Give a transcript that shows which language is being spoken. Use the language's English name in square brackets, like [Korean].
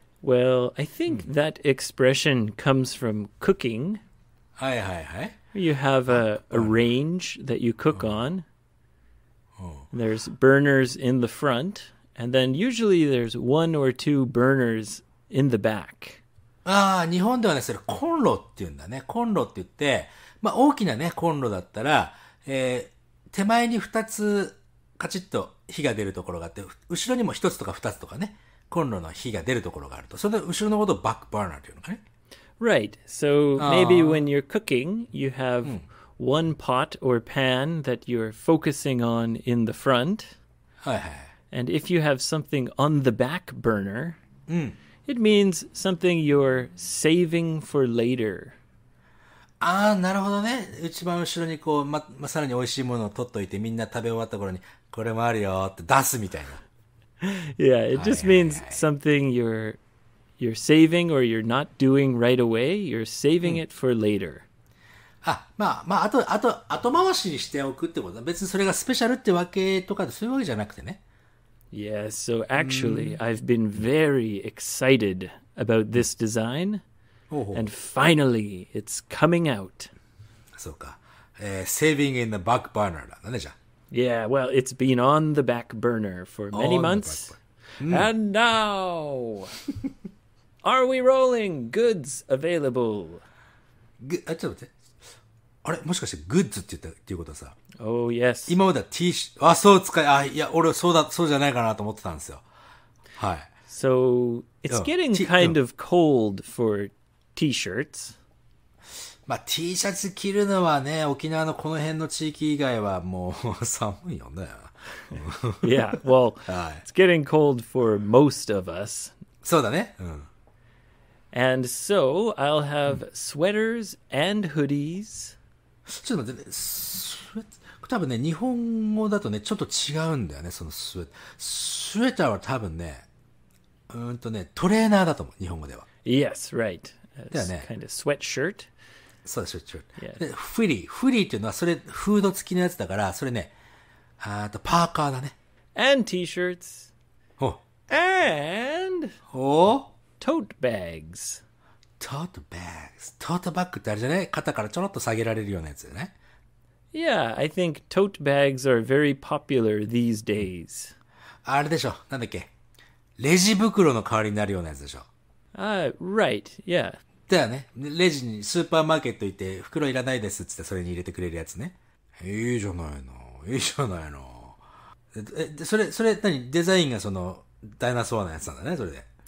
[English] Well, I think that expression comes from cooking. [Japanese] はいはいはい。 [English] You have a range that you cook on. There's burners in the front, and then usually there's one or two burners in the back. [Japanese] ああ、日本ではね、それコンロって言うんだね。コンロって言って、まあ大きなね、コンロだったら、手前に2つカチッと火が出るところがあって、後ろにも1つとか2つとかね、コンロの火が出るところがあると。それで後ろのことをバックバーナーっていうのかね。 [English] Right, so maybe when you're cooking, you have one pot or pan that you're focusing on in the front. [Japanese] はいはい。 [English] And if you have something on the back burner,、 [Japanese] うん、 [English] it means something you're saving for later. [Japanese] ああ、なるほどね。一番後ろにこう、ま、さらに美味しいものを取っといて、みんな食べ終わった頃に、これもあるよって出すみたいな。 [English] Yeah, it just means something you're you're saving or you're not doing right away, you're saving it for later. [Japanese] あ、まあ、まあ、後回しにしておくってことだ。別にそれがスペシャルってわけとかそういうわけじゃなくてね。 [English] Yeah, so actually, I've been very excited about this design. And finally, it's coming out. [Japanese] そうか。 [English] Saving in the back burner [Japanese] だね、じゃ。 [English] Yeah, well, it's been on the back burner for many months. And now, are we rolling goods available? [Japanese] ちょっと待って。あれもしかしてグッズって言ったっていうことはさ。 [English] Oh, yes. [Japanese] 今までは T シャツ、あ、そう使い、あ、いや、俺そうだ、そうじゃないかなと思ってたんですよ。はい。 [English] So, it's getting kind of cold for T-shirts. [Japanese] まあ、T シャツ着るのはね、沖縄のこの辺の地域以外はもう寒いよね。 [English] yeah, well, it's getting cold for most of us. [Japanese] そうだね。うん。 [English] And so, I'll have sweaters and hoodies. [Japanese] ちょっと待ってね。多分ね、日本語だとね、ちょっと違うんだよね、そのスウェット。スウェターは多分ね、ね、トレーナーだと思う、日本語では。 [English] Yes, right. [Japanese] ではね。 [English] Kind of sweatshirt. [Japanese] そうだ、 [English] sweatshirt、yeah.。 [Japanese] フリーっていうのは、それ、フード付きのやつだから、それね、あとパーカーだね。 [English] And t-shirts. ほ。 And. ほ。 Tote bags. Tote bags. [Japanese] Tote bag ってあれじゃね、肩からちょろっと下げられるようなやつだよね。 [English] Yeah, I think tote bags are very popular these days. [Japanese] あれでしょ、なんだっけ、レジ袋の代わりになるようなやつでしょ。 [English] Right. Yeah. [Japanese] だよね。レジにスーパーマーケット行って袋いらないですっつってそれに入れてくれるやつね。いいじゃないの。いいじゃないの。それ何デザインがそのダイナソーのやつなんだね、それで。